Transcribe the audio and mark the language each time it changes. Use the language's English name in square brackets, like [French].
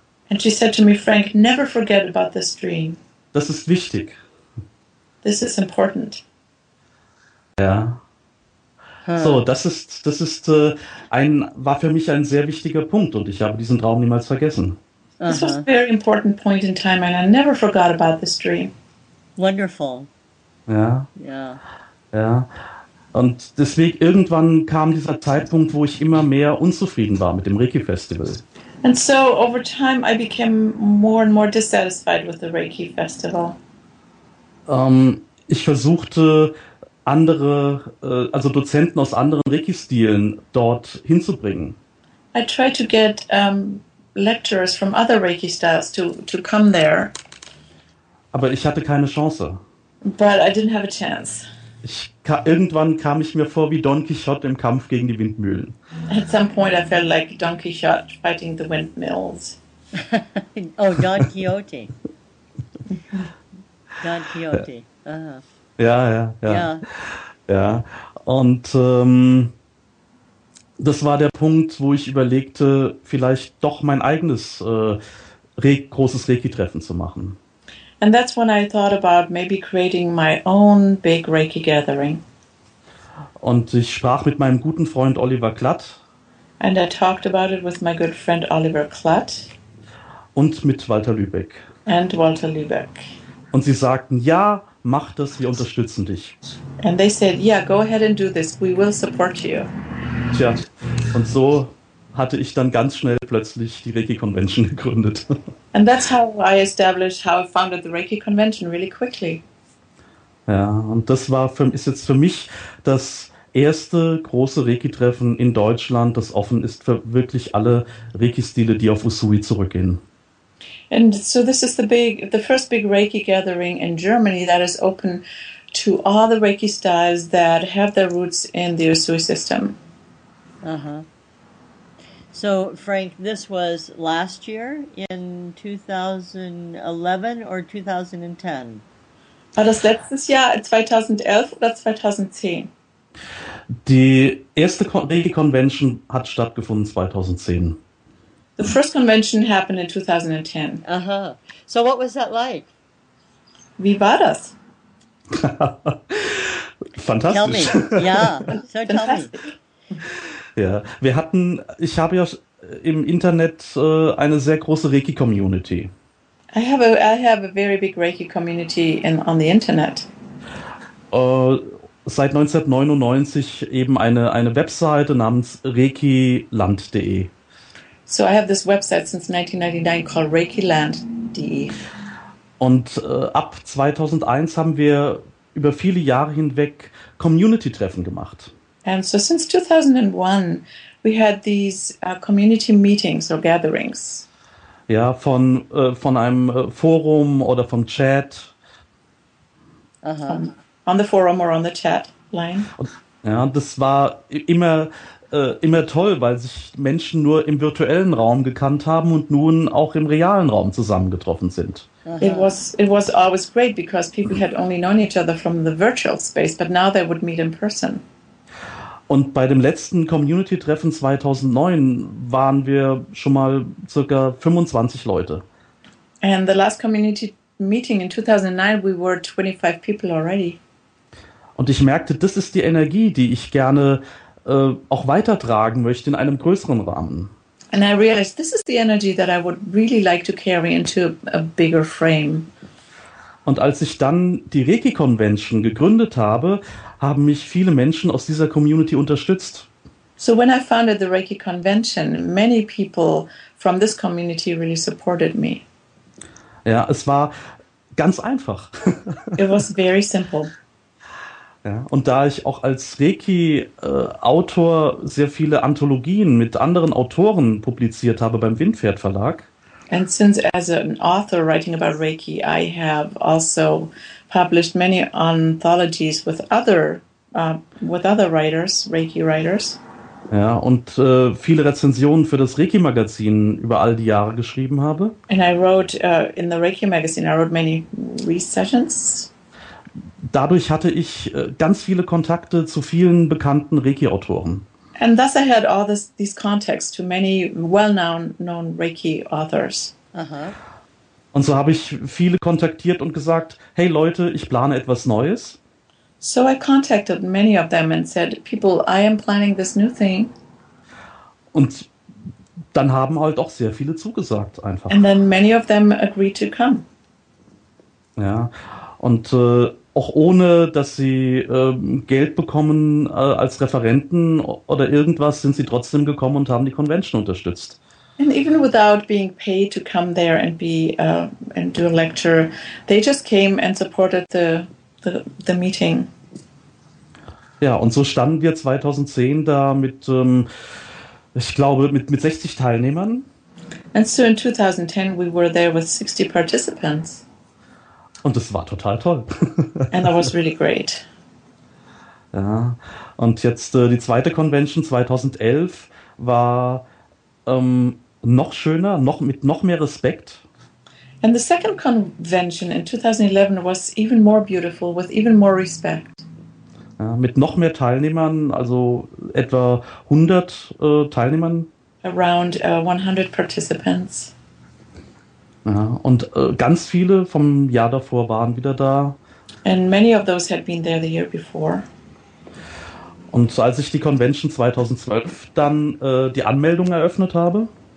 [English] And she said to me, Frank, never forget about this dream. [German] Das ist wichtig. [English] This is important. [German] Ja. Huh. So, das war für mich ein sehr wichtiger Punkt und ich habe diesen Traum niemals vergessen. [English] This was a very important point in time, and I never forgot about this dream. Wonderful. [German] Ja. Ja. Ja. Und deswegen irgendwann kam dieser Zeitpunkt, wo ich immer mehr unzufrieden war mit dem Reiki-Festival. [English] And so over time, I became more and more dissatisfied with the Reiki Festival. [German] Ich versuchte, andere, also Dozenten aus anderen Reiki-Stilen dort hinzubringen. [English] I tried to get lecturers from other Reiki styles to come there. [German] Aber ich hatte keine Chance. [English] But I didn't have a chance. [German] Irgendwann kam ich mir vor wie Don Quixote im Kampf gegen die Windmühlen. [English] At some point I felt like Don Quixote fighting the windmills. Oh, Don Quixote. Don Quixote. Uh-huh. [German] Ja. Und das war der Punkt, wo ich überlegte, vielleicht doch mein eigenes großes Reiki-Treffen zu machen. [English] And that's when I thought about maybe creating my own big Reiki gathering. [German] Und ich sprach mit meinem guten Freund Oliver Klatt. [English] And I talked about it with my good friend Oliver Klatt. [German] Und mit Walter Lübeck. [English] And Walter Lübeck. [German] Und sie sagten, ja, mach das, wir unterstützen dich. [English] And they said, yeah, go ahead and do this, we will support you. [German] Tja, und so hatte ich dann ganz schnell plötzlich die Reiki Convention gegründet. [English] And that's how I established, how I founded the Reiki Convention really quickly. [German] Ja, und das war ist jetzt für mich das erste große Reiki-Treffen in Deutschland, das offen ist für wirklich alle Reiki-Stile, die auf Usui zurückgehen. [English] And so this is the first big Reiki gathering in Germany that is open to all the Reiki styles that have their roots in the Usui system. Uh-huh. So, Frank, this was last year in 2011 or 2010? [German] War das letztes Jahr, 2011 oder 2010? Die erste Reiki-Convention hat stattgefunden 2010. [English] The first convention happened in 2010. Uh-huh. So what was that like? [German] Wie war das? Fantastisch. [English] Tell me. Yeah, so tell me. [German] Ja, ich habe ja im Internet eine sehr große Reiki-Community. [English] I have a very big Reiki-Community on the Internet. [German] Seit 1999 eben eine Webseite namens reikiland.de. [English] So I have this website since 1999 called reikiland.de. [German] Und ab 2001 haben wir über viele Jahre hinweg Community-Treffen gemacht. [English] And so since 2001, we had these community meetings or gatherings. [German] Ja, von einem Forum oder vom Chat. [English] Uh-huh. On the forum or on the chat line. [German] Ja, das war immer toll, weil sich Menschen nur im virtuellen Raum gekannt haben und nun auch im realen Raum zusammengetroffen sind. Uh-huh. [English] It was always great because people had only known each other from the virtual space, but now they would meet in person. [German] Und bei dem letzten Community-Treffen 2009 waren wir schon mal circa 25 Leute. [English] And the last community meeting in 2009, we were 25 people already. [German] Und ich merkte, das ist die Energie, die ich gerne auch weitertragen möchte in einem größeren Rahmen. [English] And I realized, this is the energy that I would really like to carry into a bigger frame. [German] Und als ich dann die Reiki-Convention gegründet habe, haben mich viele Menschen aus dieser Community unterstützt. [English] So when I founded the Reiki Convention, many people from this community really supported me. [German] Ja, es war ganz einfach. [English] It was very simple. [German] Ja, und da ich auch als Reiki-Autor sehr viele Anthologien mit anderen Autoren publiziert habe beim Windpferd Verlag. [English] And since as an author writing about Reiki, I have also published many anthologies with other writers, Reiki writers. [German] Ja, und viele Rezensionen für das Reiki Magazin über all die Jahre geschrieben habe. [English] And I wrote in the Reiki Magazine, I wrote many recensions. [German] Dadurch hatte ich ganz viele Kontakte zu vielen bekannten Reiki Autoren. [English] And thus I had all these contacts to many well-known Reiki authors. Uh-huh. [German] Und so habe ich viele kontaktiert und gesagt, hey Leute, ich plane etwas Neues. [English] So I contacted many of them and said, people, I am planning this new thing. [German] Und dann haben halt auch sehr viele zugesagt einfach. [English] And then many of them agreed to come. [German] Ja, und auch ohne, dass sie Geld bekommen als Referenten oder irgendwas, sind sie trotzdem gekommen und haben die Convention unterstützt. [English] And even without being paid to come there and be and do a lecture, they just came and supported the meeting. [German] Ja, und so standen wir 2010 da mit, ich glaube, mit 60 Teilnehmern. [English] And so in 2010 we were there with 60 participants. [German] Und das war total toll. [English] And that was really great. [German] Ja, und jetzt die zweite Convention 2011 war noch schöner, noch mit noch mehr Respekt. [English] And the second convention in 2011 was even more beautiful, with even more respect. [German] Ja, mit noch mehr Teilnehmern, also etwa 100 Teilnehmern. [English] Around 100 participants. [German] Ja, und ganz viele vom Jahr davor waren wieder da. [English] And many of those had been there the year before. [German] Und als ich die Convention 2012 dann die Anmeldung eröffnet habe.